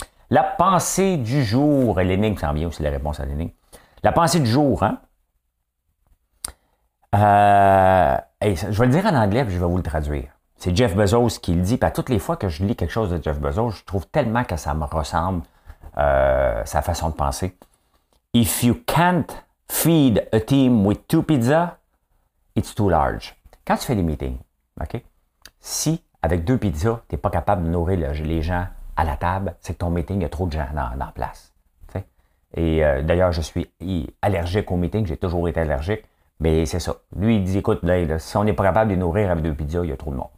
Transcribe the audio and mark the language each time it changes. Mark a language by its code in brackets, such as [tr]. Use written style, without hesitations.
[fr] La pensée du jour, l'énigme, ça en vient aussi la réponse à l'énigme. La pensée du jour, hein? Je vais le dire en anglais puis je vais vous le traduire. C'est Jeff Bezos qui le dit, puis à toutes les fois que je lis quelque chose de Jeff Bezos, je trouve tellement que ça me ressemble, sa façon de penser. [en] If you can't feed a team with 2 pizzas, it's too large. [fr] Quand tu fais des meetings, OK? Si avec 2 pizzas, tu n'es pas capable de nourrir les gens à la table, c'est que ton meeting, il y a trop de gens dans la place. T'sais? Et d'ailleurs, je suis allergique aux meetings, j'ai toujours été allergique, mais c'est ça. Lui, il dit, écoute, là, si on n'est pas capable de nourrir avec 2 pizzas, il y a trop de monde.